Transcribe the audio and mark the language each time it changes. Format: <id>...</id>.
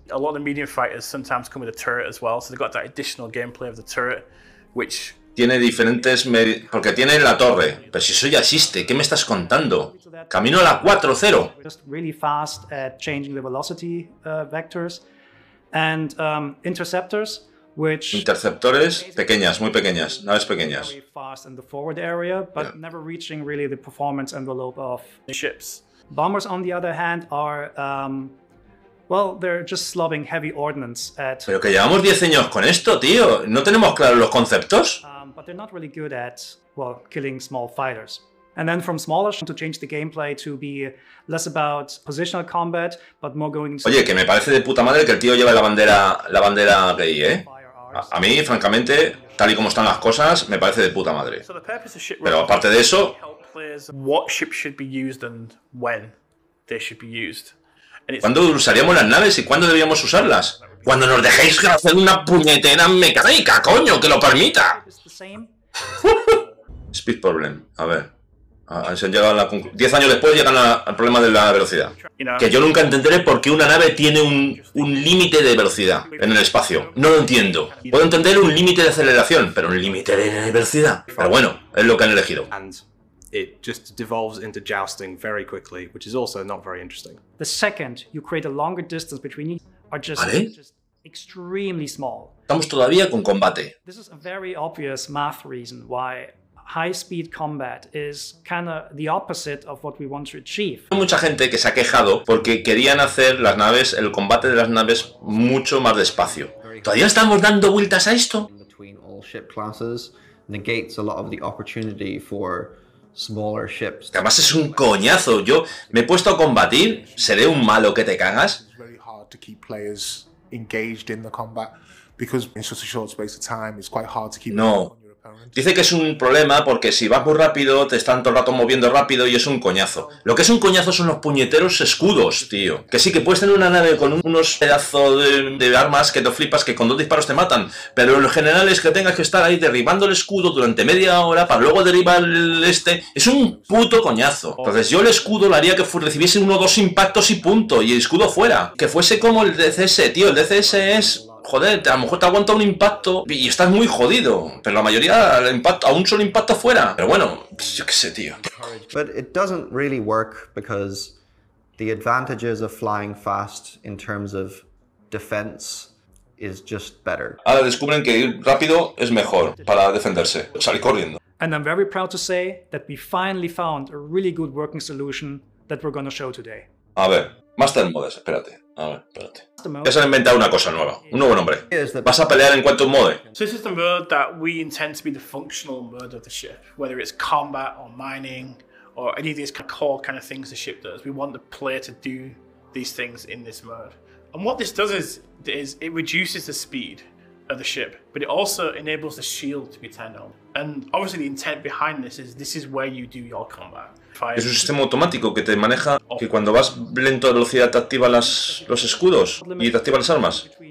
<en>A lot of the medium fighters sometimes come with a turret as well, so they've got that additional gameplay of the turret, which</en> <es>tiene diferentes porque tiene la torre. Pero si eso ya existe, ¿qué me estás contando? Camino a la 4-0.</es> <en>Just really fast at changing the velocity vectors and interceptors, which</en> <es>interceptores pequeñas, muy pequeñas, naves pequeñas.</es> <en>Fast in the forward area, but never reaching really the performance envelope of ships. Bombers, on the other hand, are well, they're just slobbing heavy ordnance at...</en> <es>Pero que llevamos 10 años con esto, tío. ¿No tenemos claros los conceptos?</es> <en>But they're not really good at, well, killing small fighters. And then from smaller, to change the gameplay to be less about positional combat, but more going...</en> <es>Oye, que me parece de puta madre que el tío lleve la bandera gay, ¿eh? A mí, francamente, tal y como están las cosas, me parece de puta madre. Pero aparte de eso...</es> <en>What ship should be used and when they should be used.</en> <es>¿Cuándo usaríamos las naves y cuándo debíamos usarlas? Cuando nos dejéis hacer una puñetera mecánica, coño, que lo permita.</es> <en>Speed problem.</en> <es>A ver. Se han llegado a la 10 años después llegan al problema de la velocidad. Que yo nunca entenderé por qué una nave tiene un límite de velocidad en el espacio. No lo entiendo. Puedo entender un límite de aceleración, pero un límite de velocidad. Pero bueno, es lo que han elegido.</es> <en>It just devolves into jousting very quickly, which is also not very interesting. The second you create a longer distance between you are just,</en> <es>¿vale?</es> <en>Just extremely small.</en> <es>Estamos todavía con combate.</es> <en>This is a very obvious math reason why high speed combat is kind of the opposite of what we want to achieve.</en> <es>Hay mucha gente que se ha quejado porque querían hacer las naves, el combate de las naves mucho más despacio. ¿Todavía estamos dando vueltas a esto?</es> <en>Between all ship classes negates a lot of the opportunity for smaller ships.</en> <es>Que además es un coñazo. Yo me he puesto a combatir, seré un malo que te cagas.</es> <en>It's really hard to keep players engaged in the combat because in such a short space of time, it's quite hard to keep.</en> <es>No. Dice que es un problema porque si vas muy rápido, te están todo el rato moviendo rápido y es un coñazo. Lo que es un coñazo son los puñeteros escudos, tío. Que sí, que puedes tener una nave con unos pedazos de armas que te flipas, que con dos disparos te matan. Pero lo general es que tengas que estar ahí derribando el escudo durante media hora para luego derribar este. Es un puto coñazo. Entonces yo el escudo lo haría que recibiese uno o dos impactos y punto, y el escudo fuera. Que fuese como el DCS, tío. El DCS es... Joder, a lo mejor te aguanta un impacto y estás muy jodido. Pero la mayoría, el impacto, a un solo impacto fuera. Pero bueno, yo qué sé, tío.</es> <en>But it doesn't really work because the advantages of flying fast in terms of defense is just better.</en> <es>Ahora descubren que ir rápido es mejor para defenderse, salir corriendo.</es> <en>And I'm very proud to say that we finally found a really good working solution that we're going to show today.</en> <es>A ver, Master Modes, espérate. A ver, espérate. Ya se han inventado una cosa nueva. Un nuevo nombre. Vas a pelear en cuanto mode.</es> <en>So this is the mode that we intend to be the functional mode of the ship. Whether it's combat or mining or any of these core kind of things the ship does. We want the player to do these things in this mode. And what this does is it reduces the speed of the ship, but it also enables the shield to be turned on. And obviously the intent behind this is where you do your combat.</en> <es>Es un sistema automático que te maneja que cuando vas lento a velocidad te activa los escudos y te activa las armas.</es>